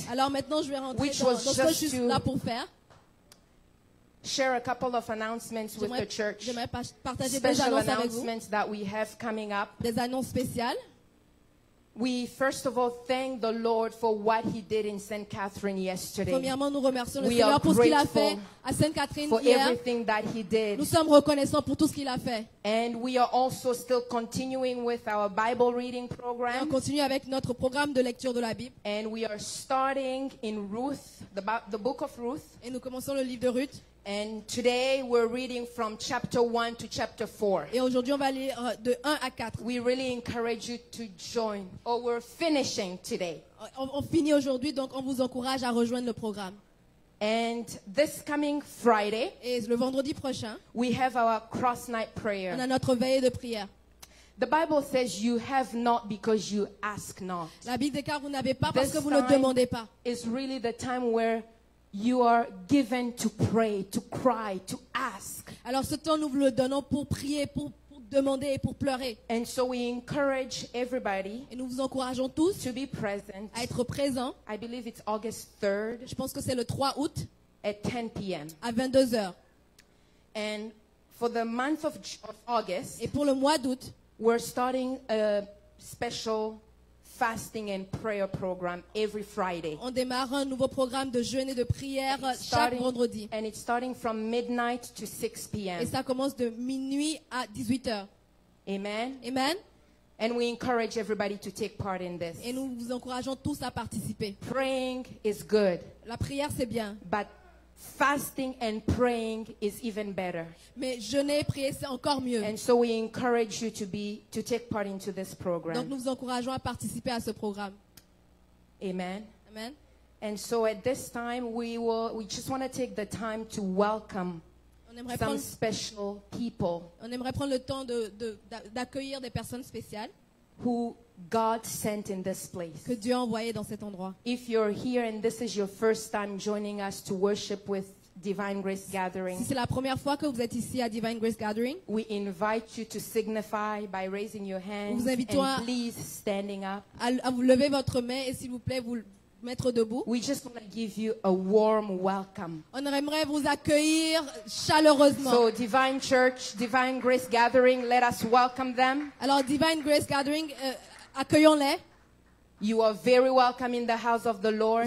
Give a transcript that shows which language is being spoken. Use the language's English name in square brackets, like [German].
[French] Alors maintenant, je vais rentrer [English] which [French] dans [English] was [French] ce que je suis là pour faire. [English] Share a couple of announcements with the church. [French] J'aimerais partager [English] special announcements that we have coming up. [French] Des annonces spéciales. [English] We first of all thank the Lord for what he did in St. Catherine yesterday. [French] Premièrement, nous remercions le Seigneur pour ce qu'il a fait à Sainte-Catherine hier. [English] For everything that he did. [French] Nous sommes reconnaissants pour tout ce qu'il a fait. [English] And we are also still continuing with our Bible reading program. [French] Et on continue avec notre programme de lecture de la Bible. [English] And we are starting in Ruth, the book of Ruth. [French] Et nous commençons le livre de Ruth. [English] And today we're reading from chapter 1 to chapter 4. [French] Et aujourd'hui on va lire de 1 à 4. [English] We really encourage you to join. Or we're finishing today. [French] On finit aujourd'hui, donc on vous encourage à rejoindre le programme. [English] And this coming Friday, [French] et le vendredi prochain, [English] we have our cross night prayer. [French] On a notre veillée de prière. [English] The Bible says you have not because you ask not. [French] La Bible dit car vous n'avez pas parce que vous ne demandez pas. [English] This time is really the time where you are given to pray, to cry, to ask. [French] Alors ce temps nous vous le donnons pour prier, pour demander et pour pleurer. [English] And so we encourage everybody. [French] Et nous vous encourageons tous [English] to be present. [French] À être présent. [English] I believe it's August 3rd. [French] Je pense que c'est le 3 août. [English] At 10 p.m. [French] À 22h. [English] And for the month of August. [French] Et pour le mois d'août. [English] We're starting a special fasting and prayer program every Friday. [French] On démarre un nouveau programme de jeûne et de prière chaque vendredi. [English] And it's starting from midnight to 6 p.m. [French] Et ça commence de minuit à 18h. [English] Amen. [French] Amen. [English] And we encourage everybody to take part in this. [French] Et nous vous encourageons tous à participer. [English] Praying is good. [French] La prière c'est bien. [English] But fasting and praying is even better. [French] Mais jeûner et prier c'est encore mieux. [English] And so we encourage you to take part into this program. [French] Donc nous vous encourageons à participer à ce programme. [English] Amen. [French] Amen. [English] And so at this time we just want to take the time to welcome some special people. [French] On aimerait prendre le temps d'accueillir des personnes spéciales. [English] Who God sent in this place. [French] Que Dieu a envoyé dans cet endroit. [English] If you're here and this is your first time joining us to worship with Divine Grace Gathering. [French] Si c'est la première fois que vous êtes ici à Divine Grace Gathering. [English] We invite you to signify by raising your hand. [French] Vous invitons [English] and please standing up. [French] À vous lever votre main et s'il vous plaît vous mettre debout. [English] We just want to give you a warm welcome. [French] On aimerait vous accueillir chaleureusement. [English] So Divine Church, Divine Grace Gathering, let us welcome them. [French] Alors Divine Grace Gathering, accueillons-les. [English] You are very welcome in the house of the Lord.